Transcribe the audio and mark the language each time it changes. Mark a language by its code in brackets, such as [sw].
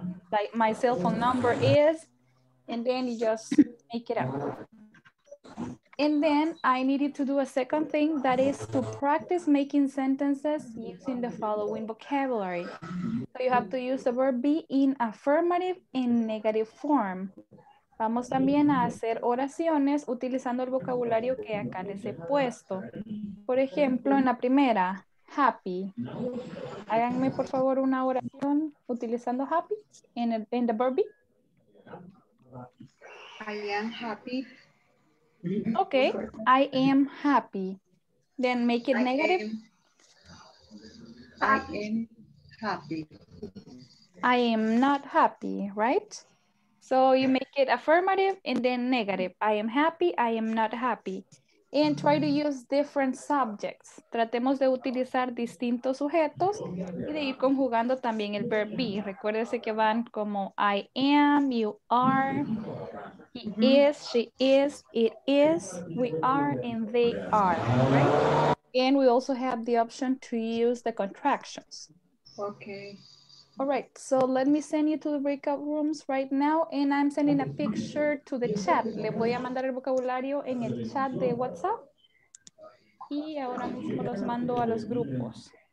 [en] Like my cell phone number is, and then you just make it up. And then I needed to do a second thing, that is to practice making sentences using the following vocabulary. So you have to use the verb be in affirmative and negative form. [es] Vamos también a hacer oraciones utilizando el vocabulario que acá les he puesto. Por ejemplo, en la primera, happy. Háganme por favor una oración utilizando happy en [en] the verb be. I am happy. Okay, I am happy. Then make it negative. I am happy. I am not happy, right? So you make it affirmative and then negative. I am happy, I am not happy. And try to use different subjects. [es] Tratemos de utilizar distintos sujetos y de ir conjugando también el verb be. Recuérdese que van como [en] I am, you are, he is, she is, it is, we are, and they are. Right? And we also have the option to use the contractions. Okay. All right, so let me send you to the breakout rooms right now, and I'm sending a picture to the chat. [es] Le voy a mandar el vocabulario en el chat de WhatsApp. Y ahora mismo los mando a los grupos.